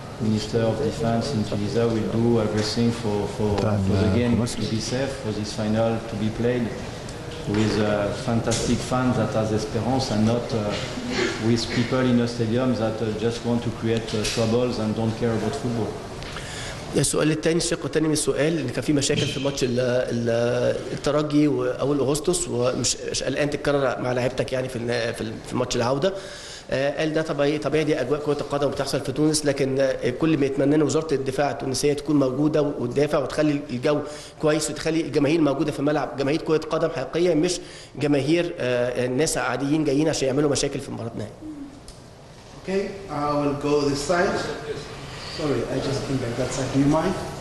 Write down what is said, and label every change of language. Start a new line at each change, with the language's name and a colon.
English: Minister of Defense in Tunisia will do everything for the game to be safe, for this final to be played with fantastic fans that has esperance and not with people in a stadium that just want to create troubles and don't care about football.
Arabic: السؤال الثاني، الشق الثاني من السؤال، ان كان في مشاكل في ماتش الترجي واول اغسطس ومش قلقان تتكرر مع لعيبتك يعني في ماتش العوده. قال ده طبيعي، دي اجواء كره القدم بتحصل في تونس، لكن كل ما يتمناه وزاره الدفاع التونسيه تكون موجوده وتدافع وتخلي الجو كويس وتخلي الجماهير موجوده في الملعب، جماهير كره قدم حقيقيه مش جماهير الناس عاديين جايين عشان يعملوا مشاكل في المباراه النهائيه.
English: Okay, I will go this side. Sorry, I just came back that side. Do you mind?